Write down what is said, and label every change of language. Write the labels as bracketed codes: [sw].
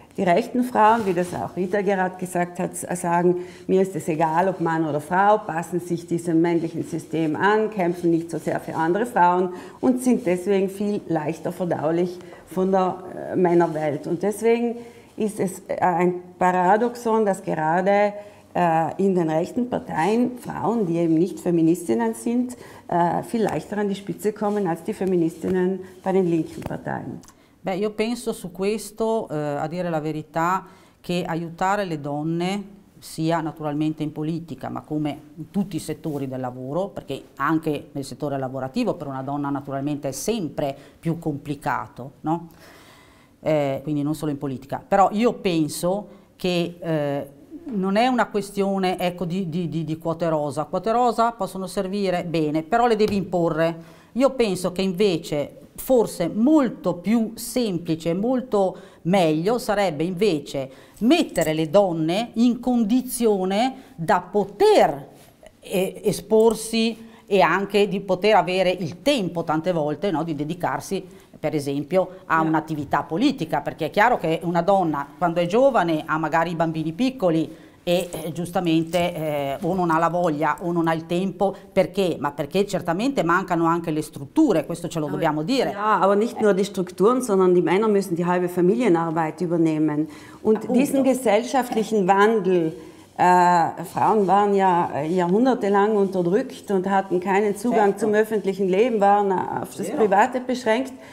[de] Die rechten Frauen, wie das auch Rita gerade gesagt hat, sagen, mir ist es egal, ob Mann oder Frau, passen sich diesem männlichen System an, kämpfen nicht so sehr für andere Frauen und sind deswegen viel leichter verdaulich von der Männerwelt. Und deswegen ist es ein Paradoxon, dass gerade in den rechten Parteien Frauen, die eben nicht Feministinnen sind, viel leichter an die Spitze kommen als die Feministinnen bei den linken Parteien. [it] Beh, io penso su questo, a dire la verità, che aiutare le donne sia naturalmente in politica, ma come in tutti i settori del lavoro, perché anche nel settore lavorativo per una donna naturalmente è sempre più complicato, no? Quindi non solo in politica. Però io penso che non è una questione, ecco, di quote rosa. Quote rosa possono servire bene, però le devi imporre. Io penso che invece... forse molto più semplice, molto meglio sarebbe invece mettere le donne in condizione da poter esporsi e anche di poter avere il tempo tante volte, no, di dedicarsi per esempio, ha un'attività politica, perché è chiaro che una donna quando è giovane ha magari i bambini piccoli e giustamente o non ha la voglia o non ha il tempo. Perché? Ma perché certamente mancano anche le strutture, questo ce lo dobbiamo dire. [de] Ja, aber nicht nur die Strukturen, sondern die Männer müssen die halbe Familienarbeit übernehmen. Und diesen gesellschaftlichen Wandel, Frauen waren ja jahrhundertelang unterdrückt und hatten keinen Zugang zum öffentlichen Leben, waren auf das Private beschränkt.